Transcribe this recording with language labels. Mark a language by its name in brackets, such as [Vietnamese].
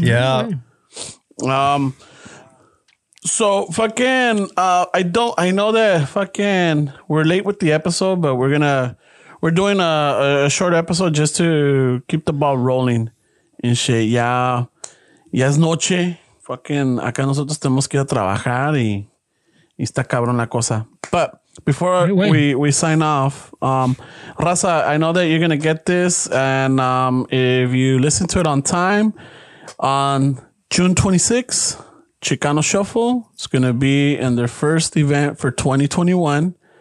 [English] Yeah. So fucking, I know that fucking we're late with the episode, but we're doing a short episode just to keep the ball rolling and shit. [Spanish] Ya es noche. Fucking, acá nosotros tenemos que ir a trabajar y está cabrón la cosa. [English] But before we sign off, Raza, I know that you're going to get this. And, if you listen to it on time on June 26th, Chicano Shuffle is going to be in their first event for 2021.